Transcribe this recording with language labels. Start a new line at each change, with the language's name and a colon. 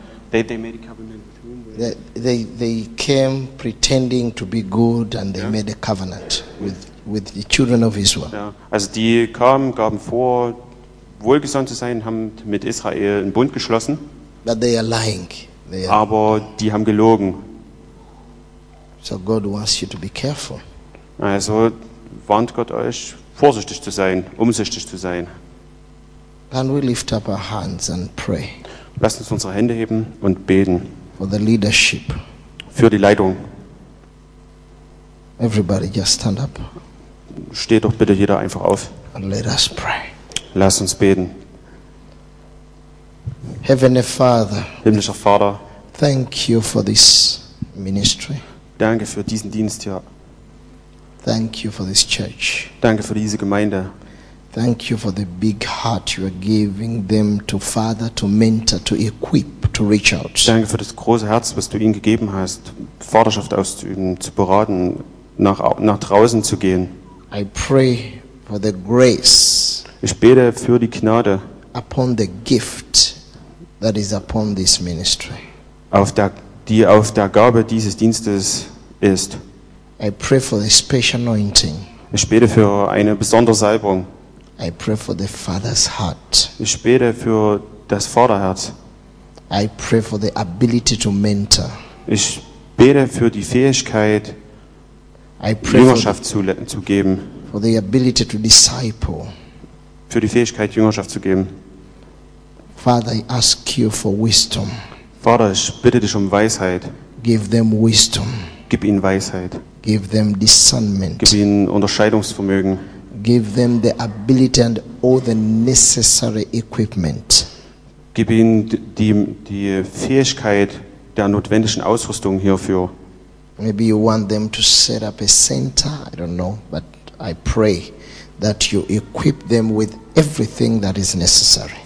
English: They made a covenant with him. They came pretending to be good and they made a covenant with the children of Israel.
German: Ja. Also die kamen, gaben vor, wohlgesonnen zu sein, haben mit Israel einen Bund geschlossen.
English: But they are lying.
German: Aber die haben gelogen.
English: So God wants you to be careful.
German: Also warnt Gott euch, vorsichtig zu sein, umsichtig zu sein.
English: Can we lift up our hands and pray?
German: Lasst uns unsere Hände heben und beten.
English: For the leadership.
German: Für die Leitung.
English: Everybody just stand up.
German: Steht doch bitte jeder einfach auf.
English: And let us pray.
German: Lasst uns beten.
English: Heavenly Father,
German: himmlischer Vater,
English: thank you for this ministry.
German: Danke für diesen Dienst hier.
English: Thank you for this church.
German: Danke für diese Gemeinde.
English: Thank you for the big heart you are giving them to father, to mentor, to equip, to reach out.
German: Danke für das große Herz, was du ihnen gegeben hast, Vaterschaft auszuüben, zu beraten, nach draußen zu gehen.
English: I pray for the grace.
German: Ich bete für die Gnade.
English: Upon the gift that is upon this ministry.
German: Auf der Gabe dieses Dienstes ist.
English: I pray for the special anointing.
German: Ich bete für eine besondere Salbung.
English: I pray for the Father's heart.
German: Ich bete für das Vaterherz.
English: I pray for the ability to mentor.
German: Ich bete für die Fähigkeit, Jüngerschaft zu geben.
English: For the ability to disciple.
German: Für die Fähigkeit, Jüngerschaft zu geben.
English: Father, I ask you for wisdom.
German: Vater, ich bitte dich um Weisheit.
English: Give them wisdom.
German: Gib ihnen Weisheit.
English: Give them discernment.
German: Gib ihnen Unterscheidungsvermögen.
English: Give them the ability and all the necessary equipment.
German: Gib ihnen die Fähigkeit der notwendigen Ausrüstung hierfür.
English: Maybe you want them to set up a center. I don't know, but I pray that you equip them with everything that is necessary.